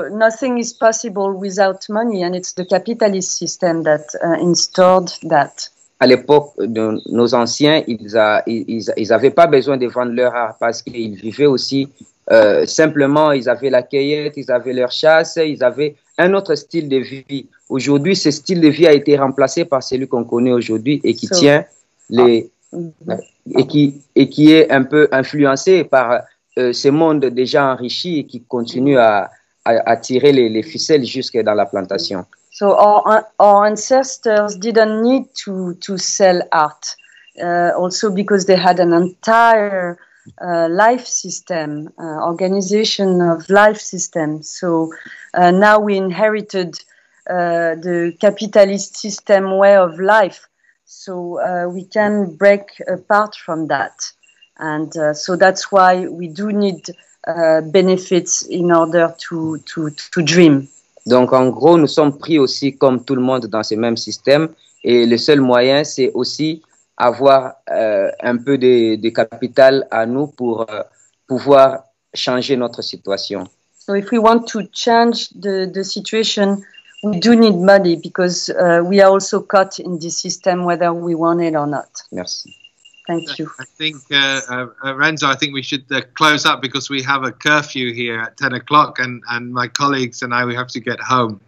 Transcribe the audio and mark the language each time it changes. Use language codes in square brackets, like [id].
[en] So nothing is possible without money, and it's the capitalist system that installed that. [fr] À l'époque de nos anciens, ils avaient pas besoin de vendre leur art parce qu'ils vivaient aussi simplement. Ils avaient la cueillette, ils avaient leur chasse, ils avaient un autre style de vie. Aujourd'hui, ce style de vie a été remplacé par celui qu'on connaît aujourd'hui et qui tient les et qui est un peu influencé par ce monde déjà enrichi et qui continue à tirer les ficelles jusque dans la plantation. [en] So our ancestors didn't need to sell art, also because they had an entire life system, organization of life system. So now we inherited the capitalist system way of life. So we can break apart from that. And so that's why we do need benefits in order to dream. [fr] Donc en gros, nous sommes pris aussi comme tout le monde dans ce même système, et le seul moyen c'est aussi avoir un peu de capital à nous pour pouvoir changer notre situation. [en] So if we want to change the situation, we do need money because we are also caught in this system whether we want it or not. [fr] Merci. [en] Thank you. I think, Renzo, I think we should close up because we have a curfew here at 10 o'clock and my colleagues and I, we have to get home.